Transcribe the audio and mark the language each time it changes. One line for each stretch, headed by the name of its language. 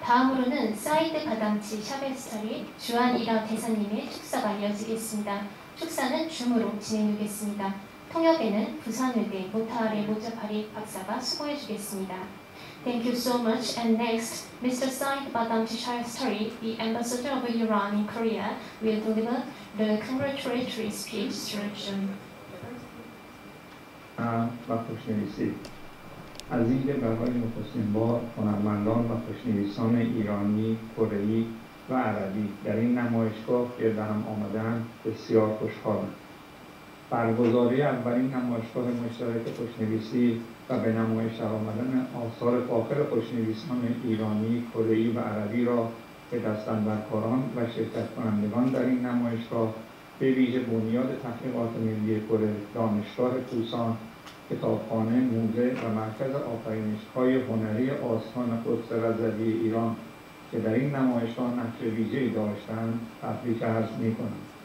Korean: 다음으로는 사이드 바담치 샤베스타리 주한 이라 대사님의 축사가 이어지겠습니다. 축사는 줌으로 진행하겠습니다. 통역에는 부산외대 모타레 모자파리 박사가 수고해 주겠습니다.
English: Thank you so much. And next, Mr. Saeed Badamchi Shabestari, the ambassador of Iran in Korea, will deliver the congratulatory speech to the Jim.
Persian: از اینکه برای نخستین بار هنرمندان و خوشنویسان ایرانی، کره‌ای و عربی در این نمایشگاه گرد هم آمدن بسیار خوشحالم. برگزاری اولین نمایشگاه مشترک خوشنویسی و به نمایش آمدن آثار فاخر خوشنویسان ایرانی، کره‌ای و عربی را به دست‌اندرکاران و شرکت کنندگان در این نمایشگاه به ویژه بنیاد تحقیقات ملی کره، دانشگاه طوسان، کتابخانه، موزه و مرکز آفرینش‌های هنری آستان قدس رضوی ایران که در این نمایشگاه نقش ویژه‌ای داشتند، تبریک عرض می‌کنم.